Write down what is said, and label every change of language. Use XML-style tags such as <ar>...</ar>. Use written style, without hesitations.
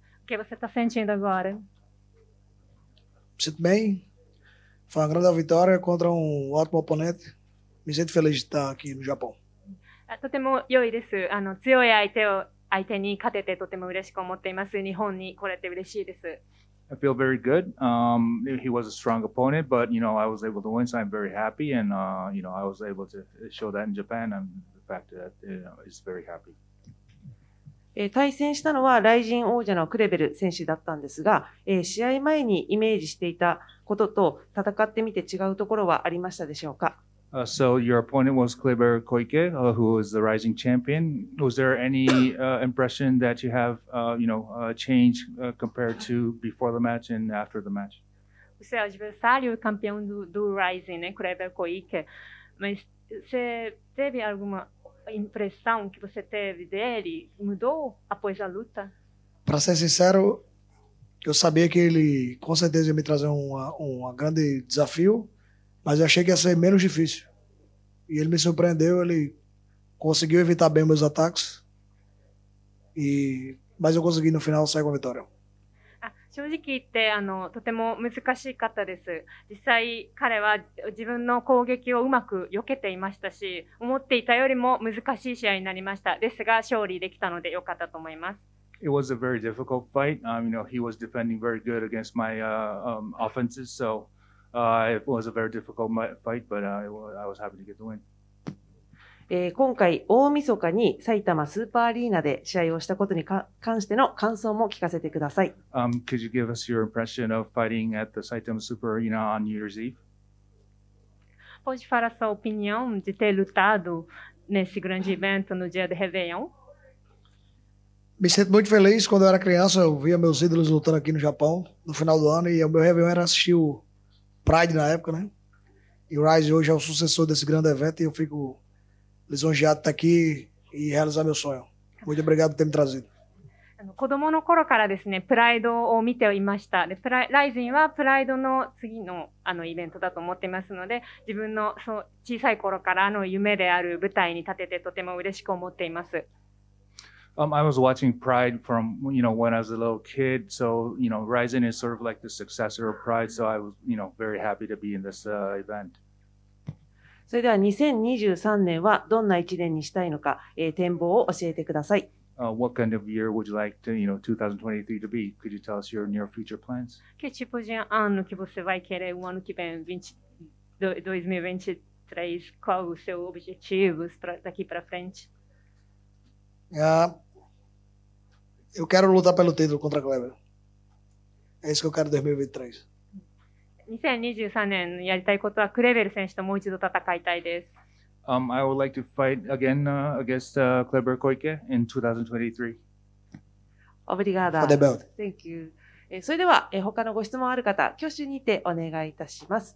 <pt>O que você está sentindo agora? Sinto bem. Foi uma grande vitória contra um ótimo oponente. Me sinto feliz de estar aqui no Japão.</pt> <ja>とても良いです。強い相手に勝ててとても嬉しく思っています。日本に来れて嬉しいです。</ja> <en>I feel very good. He was a strong opponent, but you know, I was able to win, so I'm very happy. And you know, I was able to show that in Japan, and the fact that is very happy.</en> <ja>対戦したのはライジン王者のクレベル選手だったんですが、試合前にイメージしていたことと戦ってみて違うところはありましたでしょうか。</ja> <en>So your opponent was Kleber Koike, who is the rising champion. Was there any impression that you have, changed compared to before the match and after the match?</en> <pt>O seu adversário, o campeão do Rising, né, Kleber Koike. Mas você teve alguma impressão que você teve dele? Mudou após a luta? Para ser sincero, eu sabia que ele com certeza ia me trazer um grande desafio, mas eu achei que ia ser menos difícil. E ele me surpreendeu, ele conseguiu evitar bem meus ataques. Mas eu consegui no final sair com a vitória.</pt> <ja>正直言って、とても難しかったです。実際、彼は自分の攻撃をうまく避けていましたし、思っていたよりも難しい試合になりました。ですが、勝利できたので良かったと思います。</ja> <en>It was a very difficult fight. He was defending very good against my offenses, so it was a very difficult fight, but I was happy to get the win.</en> <ja>今回、大晦日に埼玉スーパーアリーナで試合をしたことに関しての感想も聞かせてください。</ja> <en>Could you give us your impression of fighting at the Saitama Super Arena on New Year's Eve?</en> <pt>Pode falar sua opinião de ter lutado nesse grande evento no dia de Réveillon? Me sinto muito feliz. Quando eu era criança, eu via meus ídolos lutando aqui no Japão, no final do ano, e o meu Réveillon era assistir o Pride na época, né? E o Rise hoje é o sucessor desse grande evento, e eu fico lisonjeado de estar aqui e realizar meu sonho. Muito obrigado por ter me trazido.</pt> <ja>子供の頃からですね、プライドを見ていました。で、ライジンはプライドの次の、イベントだと思ってますので、自分の小さい頃からの夢である舞台に立ててとても嬉しく思っています。</ja> <en>I was watching Pride from, when I was a little kid. So, Rising is sort of like the successor of Pride. So I was, very happy to be in this, event.</en> <ja>それでは2023年はどんな1年にしたいのか、展望を教えてください。</ja> <en>What kind of year would you like to, 2023 to be? Could you tell us your near future plans?</en> <pt>Que tipo de ano que você vai querer o ano que vem, 2023? Qual o seu objetivo daqui para frente? Eu quero lutar pelo título contra a Kleber. É isso que eu quero em 2023.</pt> <ja>2023年やりたいことはクレベル選手ともう一度戦いたいです。</ja> <en>I would like to fight again, against, Kleber Koike in 2023.</en> <pt>Obrigada.</pt> <en>For the belt. Thank you.</en> <ja>それでは、他のご質問ある方、挙手にてお願いいたします。</ja>